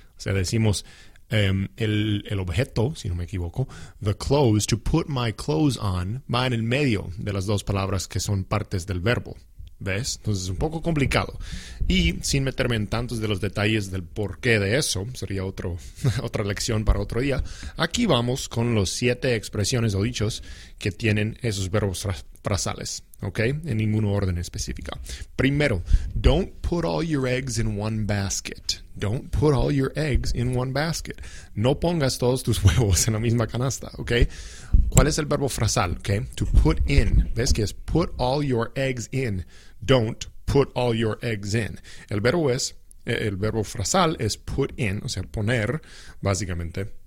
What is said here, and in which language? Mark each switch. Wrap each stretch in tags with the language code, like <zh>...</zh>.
<es>O sea, decimos el objeto, si no me equivoco,</es> <en>the clothes, to put my clothes on,</en> <es>va en el medio de las dos palabras que son partes del verbo. ¿Ves? Entonces es un poco complicado. Y sin meterme en tantos de los detalles del porqué de eso, sería otra lección para otro día. Aquí vamos con los siete expresiones o dichos que tienen esos verbos frasales, ¿ok? En ningún orden específico.</es> <en>Primero, don't put all your eggs in one basket. Don't put all your eggs in one basket.</en> <es>No pongas todos tus huevos en la misma canasta, ¿ok? ¿Cuál es el verbo frasal? ¿Ok? To put in. ¿Ves que es</es> <en>put all your eggs in? Don't put all your eggs in.</en> <es>El verbo frasal es put in, o sea, poner, básicamente.</es>